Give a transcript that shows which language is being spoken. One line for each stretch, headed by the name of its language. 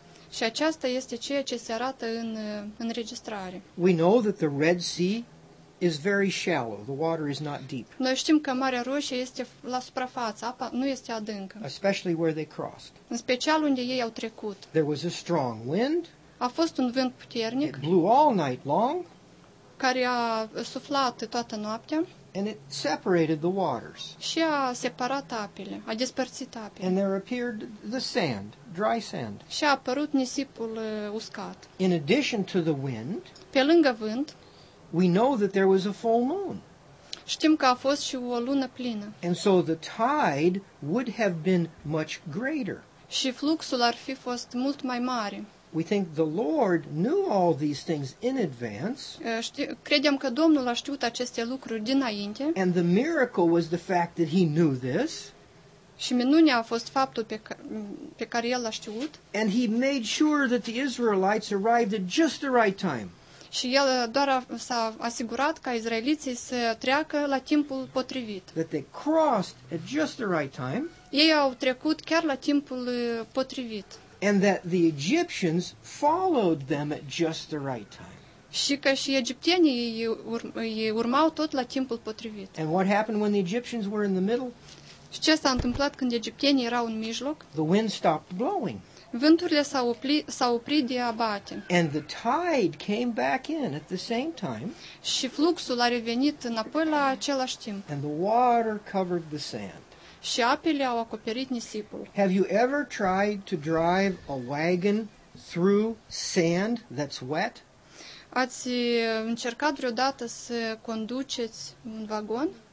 Romanian: Și aceasta este ceea ce se arată în înregistrare.
English: We know that the Red Sea is very shallow. The water is not deep.
Romanian: Noi știm că Marea Roșie este la suprafață, apa nu este adâncă.
English: Especially where they crossed.
Romanian: În special unde ei au trecut.
English: There was a strong wind.
Romanian: A fost un vânt puternic.
English: It blew all night long.
Romanian: Care a suflat toată noaptea.
English: And it separated the waters.
Romanian: Și a separat apele, a despărțit apele.
English: And there appeared the sand, dry sand.
Romanian: Și a apărut nisipul uscat.
English: In addition to the wind.
Romanian: Pe lângă vânt.
English: We know that there was a full moon.
Romanian: Știm că a fost și o lună plină.
English: And so the tide would have been much greater.
Romanian: Și fluxul ar fi fost mult mai mare.
English: We think the Lord knew all these things in advance.
Romanian: Credem că Domnul a știut aceste lucruri dinainte.
English: And the miracle was the fact that he knew this.
Romanian: Și minunea a fost faptul pe care el l-a știut.
English: And he made sure that the Israelites arrived at just the right time.
Romanian: Și el doar s-a asigurat ca izraeliții să treacă la timpul potrivit.
English: That they crossed at just the right time.
Romanian: Ei au trecut chiar la timpul potrivit.
English: And that the Egyptians followed them at just the right time.
Romanian: Și că și egiptenii îi urmau tot la timpul potrivit.
English: And what happened when the Egyptians were in the middle?
Romanian: Și ce s-a întâmplat când egiptenii erau în mijloc?
English: The wind stopped blowing.
Romanian: Vânturile s-au oprit de a bate.
English: And the tide came back in at the same time.
Romanian: Și fluxul a revenit înapoi la același timp.
English: And the water covered the sand.
Romanian: Și apele au acoperit nisipul.
English: Have you ever tried to drive a wagon through sand that's wet?
Romanian: Ați încercat vreodată să conduceți un vagon?